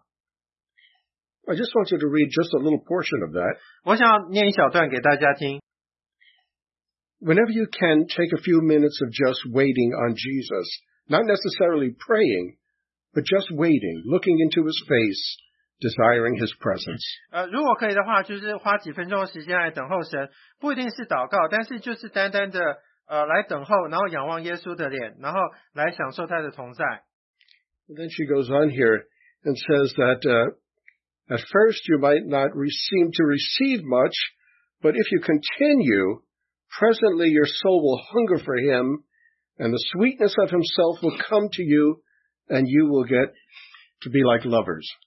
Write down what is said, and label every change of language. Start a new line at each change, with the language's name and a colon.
English: just wanted to read just a little portion of that.
Chinese: 我想念一小段给大家听。
English: Whenever you can take a few minutes of just waiting on Jesus, not necessarily praying, but just waiting, looking into his face, desiring his presence.
Chinese: 如果可以的话，就是花几分钟的时间来等候神，不一定是祷告，但是就是单单的来等候，然后仰望耶稣的脸，然后来享受他的同在。
English: And then she goes on here and says that at first you might not seem to receive much, but if you continue, presently your soul will hunger for him, and the sweetness of himself will come to you, and you will get to be like lovers.